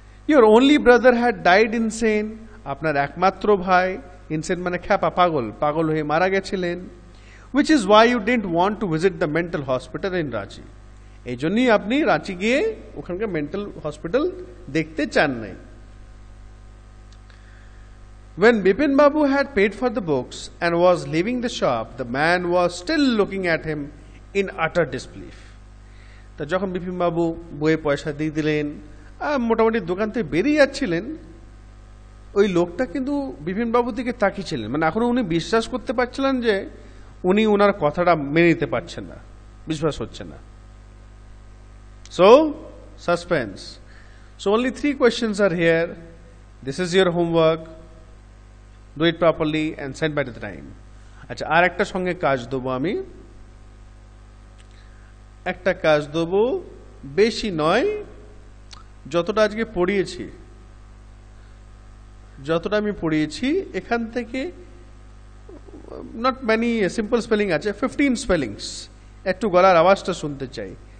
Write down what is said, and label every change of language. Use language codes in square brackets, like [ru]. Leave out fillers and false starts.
[en] your only brother had died insane, [bn] আপনার একমাত্র ভাই ইনসেন মানে খ্যাপা পাগল, পাগল হয়ে মারা গেছিলেন, [en] Which is why you didn't want to visit the mental hospital in Ranchi. [bn] এই জন্যই আপনি রাঁচি গিয়ে ওখানকার মেন্টাল হসপিটাল দেখতে চান নাই। [en] When Bipin Babu had paid for the books and was leaving the shop, the man was still looking at him in utter disbelief. [bn] তো যখন বিপিন বাবু বইয়ে পয়সা দিয়ে দিলেন আর মোটামুটি দোকান থেকে বেরিয়ে যাচ্ছিলেন, ওই লোকটা কিন্তু বিপিন বাবুর দিকে তাকিয়েছিলেন, মানে এখনো উনি বিশ্বাস করতে পারছিলেন যে উনি ওনার কথাটা মেনে নিতে পারছেন না, বিশ্বাস হচ্ছে না। [en] So, suspense. So, only 3 questions are here. This is your homework. Do it properly and send by the time. [bn] আচ্ছা, আর একটা সঙ্গে কাজ দেবো আমি, একটা কাজ দেবো, বেশি নয়, যতটা আজকে পড়িয়েছি যতটা আমি পড়িয়েছি এখান থেকে নট মেনি সিম্পল স্পেলিং আছে, 15 spellings, একটু গলার আওয়াজটা শুনতে চাই।